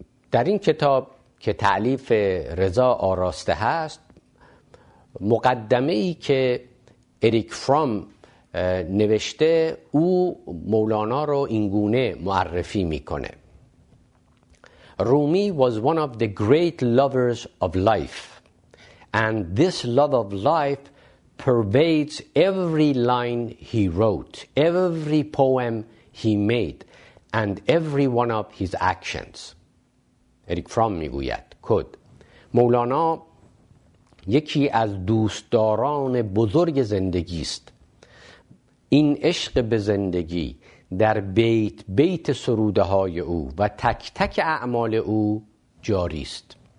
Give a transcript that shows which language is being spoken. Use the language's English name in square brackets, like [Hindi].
[Persian] در این کتاب که تألیف رضا آراسته هست، مقدمه ای که اریک فرام نوشته، او مولانا رو اینگونه معرفی میکنه: رومی [English] was one of the great lovers of life. And this love of life pervades every line he wrote, every poem he made, and every one of his actions. [Persian] اریک فرام میگوید، کد: مولانا یکی از دوستداران بزرگ زندگی است. این عشق به زندگی در بیت بیت سروده های او و تک تک اعمال او جاری است.